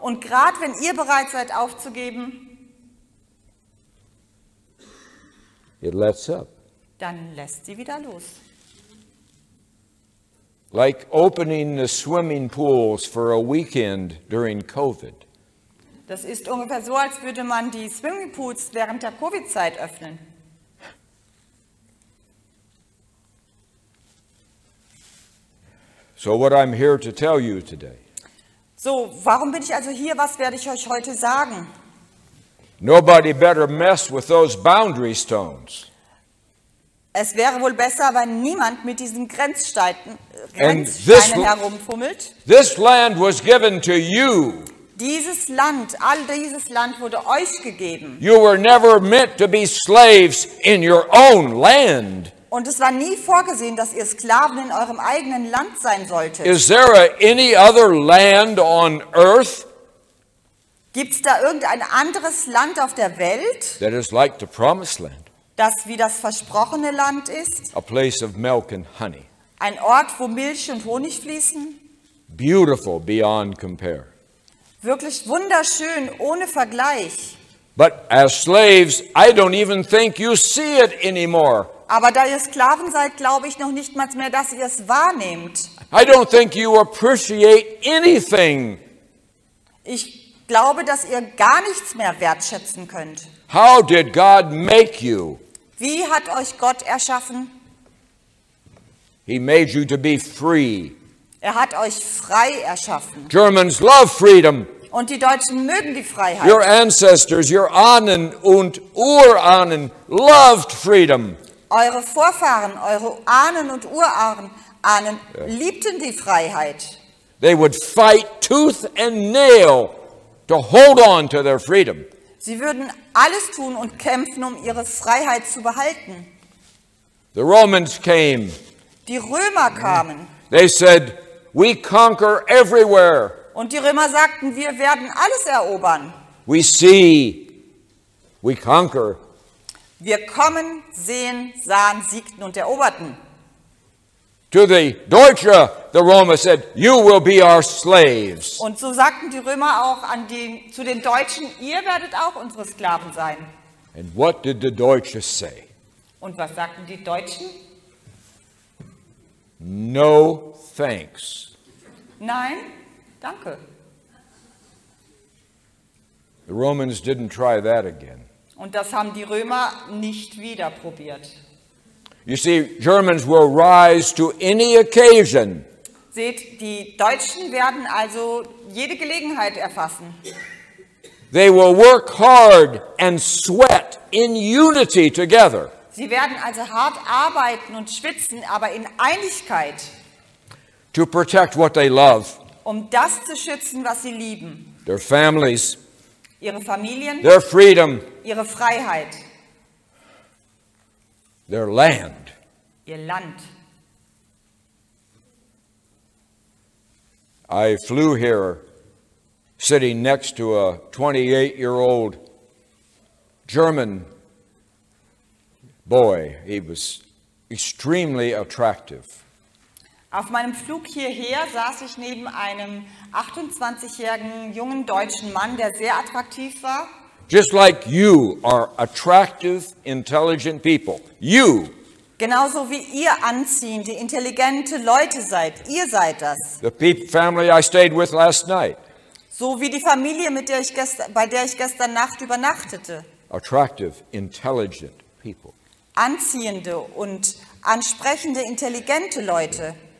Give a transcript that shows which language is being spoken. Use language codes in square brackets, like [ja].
[de] Und gerade wenn ihr bereit seid aufzugeben. [en] It lets up. [de] Dann lässt sie wieder los. [en] Like opening the swimming pools for a weekend during COVID. [de] Das ist ungefähr so, als würde man die Swimmingpools während der Covid-Zeit öffnen. [en] So what I'm here to tell you today. [de] So, warum bin ich also hier? Was werde ich euch heute sagen? [en] Nobody better mess with those boundary stones. [de] Es wäre wohl besser, wenn niemand mit diesen Grenzsteinen herumfummelt. [en] This land was given to you. [de] Dieses Land, all dieses Land wurde euch gegeben. [en] You were never meant to be slaves in your own land. [de] Und es war nie vorgesehen, dass ihr Sklaven in eurem eigenen Land sein solltet. [en] Is there any other land on earth? [de] Gibt's da irgendein anderes Land auf der Welt? [en] That is like the promised land. [de] Das wie das versprochene Land ist. [en] A place of milk and honey. [de] Ein Ort, wo Milch und Honig fließen. [en] Beautiful beyond compare. [de] Wirklich wunderschön, ohne Vergleich. [en] But as slaves, I don't even think you see it anymore. [de] Aber da ihr Sklaven seid, glaube ich noch nicht mal mehr, dass ihr es wahrnehmt. [en] I don't think you appreciate anything. [de] Ich glaube, dass ihr gar nichts mehr wertschätzen könnt. [en] How did God make you? [de] Wie hat euch Gott erschaffen? [en] He made you to be free. [de] Er hat euch frei erschaffen. [en] Germans love freedom. [de] Und die Deutschen mögen die Freiheit. [en] Your ancestors, your [de] Ahnen und Urahnen [en] loved freedom. [de] Eure Vorfahren, eure Ahnen und Urahnen liebten die Freiheit. [en] They would fight tooth and nail to hold on to their freedom. [de] Sie würden alles tun und kämpfen, um ihre Freiheit zu behalten. [en] The Romans came. [de] Die Römer kamen. [en] They said, we conquer everywhere. [de] Und die Römer sagten, wir werden alles erobern. [en] We see, we conquer. [de] Wir kommen, sehen, sahen, siegten und eroberten. [en] To the Deutsche, the Roma said, you will be our slaves. [de] Und so sagten die Römer auch an den, zu den Deutschen, ihr werdet auch unsere Sklaven sein. [en] And what did the Deutsche say? [de] Und was sagten die Deutschen? [en] No thanks. [de] Nein, danke. [en] The Romans didn't try that again. [de] Und das haben die Römer nicht wieder probiert. [en] You see, Germans will rise to any occasion. [de] Seht, die Deutschen werden also jede Gelegenheit erfassen. [en] They will work hard and sweat in unity together. [de] Sie werden also hart arbeiten und schwitzen, aber in Einigkeit. [en] To protect what they love. [de] Um das zu schützen, was sie lieben. [en] Their families. [de] ihre Familien, [en] their freedom, [de] ihre Freiheit, [en] their land, [de] ihr Land. [en] I flew here, sitting next to a 28-year-old German boy. He was extremely attractive. [de] Auf meinem Flug hierher saß ich neben einem 28-jährigen jungen deutschen Mann, der sehr attraktiv war. [en] Just like you are attractive, intelligent people. You. [de] Genauso wie ihr anziehende, intelligente Leute seid. Ihr seid das. [en] The family I stayed with last night. [de] So wie die Familie, mit der ich gestern Nacht übernachtete. [en] Attractive, intelligent people. [de] Anziehende und ansprechende, intelligente Leute.